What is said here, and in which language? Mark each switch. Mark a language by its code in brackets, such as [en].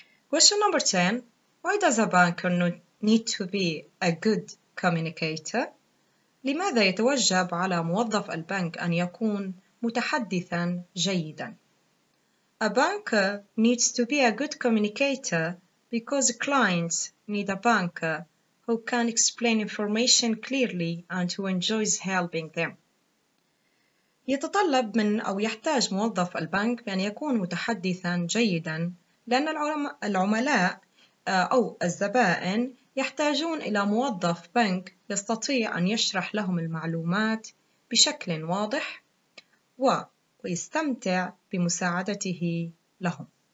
[en] Question number 10. Why does a banker need to be a good Communicator. [ar] لماذا يتوجب على موظف البنك أن يكون متحدثاً جيداً؟ [en] A banker needs to be a good communicator because clients need a banker who can explain information clearly and who enjoys helping them. [ar] يتطلب من أو يحتاج موظف البنك بأن يكون متحدثاً جيداً لأن العملاء أو الزبائن يحتاجون إلى موظف بنك يستطيع أن يشرح لهم المعلومات بشكل واضح ويستمتع بمساعدته لهم.